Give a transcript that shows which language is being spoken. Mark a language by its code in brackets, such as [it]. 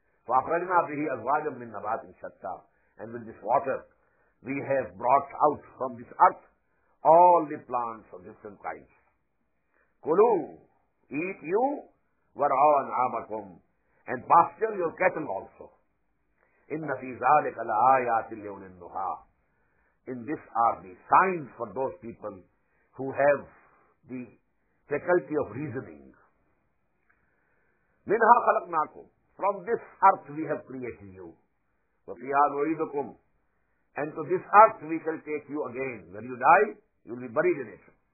[ar] فأخرجنا به أزواجا من نبات شتى. [en] And with this water we have brought out from this earth all the plants of different kinds. [ar] كلوا. [en] Eat you. [ar] ورعوا أنعامكم. [en] And pasture your cattle also. [ar] إن في ذلك لآيات لأولي النهى. [en] In this are the signs for those people who have the faculty of reasoning. [ar] منها خلقناكم. [en] From this earth we have created you. [ar] وفيها نعيدكم. [en] And to this earth we shall take you again. When you die, you will be buried in it.